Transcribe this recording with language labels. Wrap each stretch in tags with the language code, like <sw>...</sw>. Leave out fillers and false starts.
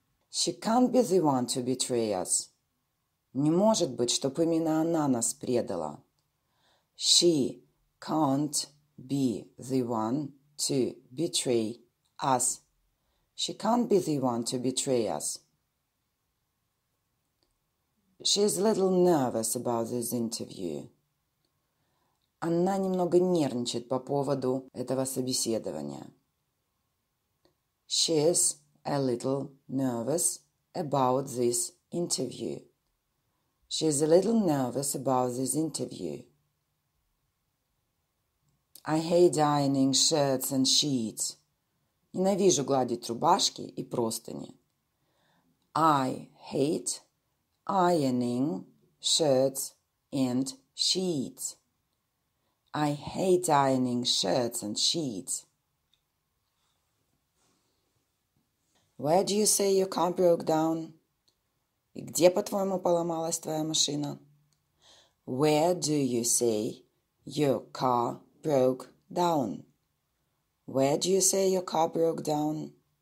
<en>She can't be the one to betray us.</en> <ru>Не может быть, чтоб именно она нас предала.</ru> <en>She can't be the one to betray us. She can't be the one to betray us. She is a little nervous about this interview.</en> <ru>Она немного нервничает по поводу этого собеседования.</ru> <en>She is a little nervous about this interview. She is a little nervous about this interview. I hate ironing shirts and sheets.</en> <ru>Ненавижу гладить рубашки и простыни.</ru> <en>I hate ironing shirts and sheets. I hate ironing shirts and sheets. Where do you say your car broke down?</en> <ru>И где, по-твоему, поломалась твоя машина?</ru> <en>Where do you say your car broke down? Where do you say your car broke down?</en>